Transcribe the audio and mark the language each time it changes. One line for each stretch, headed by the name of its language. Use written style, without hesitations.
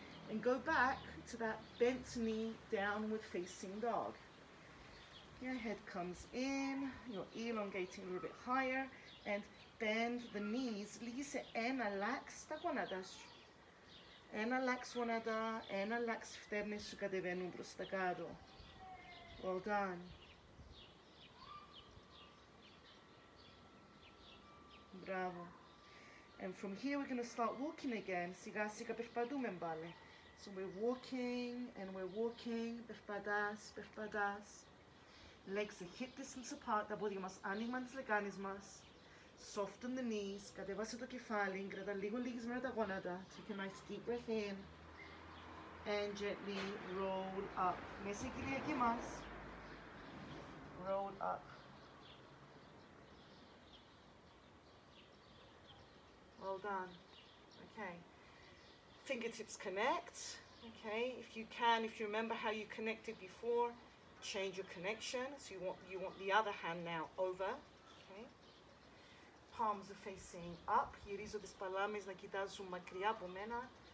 English: And go back to that bent knee, downward facing dog. Your head comes in. You're elongating a little bit higher. And bend the knees,
Greek: λύγισε ένα λάξ τα γονάτα σου. Ένα λάξ γονάτα, ένα λάξ φτέρνες σου κατεβαίνουν προς τα κάτω.
English: Well done.
Greek: Μπράβο.
English: And from here we're going to start walking again.
Greek: Σιγά σιγά περπατούμε πάλι.
English: So we're walking and we're walking.
Greek: Περπατάς, περπατάς.
English: Legs are hip distance apart.
Greek: Τα πόδια μας άνοιγμα της λεκάνης μας.
English: Soften the knees,
Greek: κατεβάσε το κεφάλι, κρατά λίγο λυγισμένα τα γόνατα.
English: Take a nice deep breath in and gently roll up.
Greek: Μέσα η κυριακή μας.
English: Roll up. Well done. Okay. Fingertips connect. Okay, if you can, if you remember how you connected before, change your connection. So you want the other hand now over. Palms are facing up.
Greek: Γυρίζω τις παλάμες να κοιτάζουν μακριά από μένα.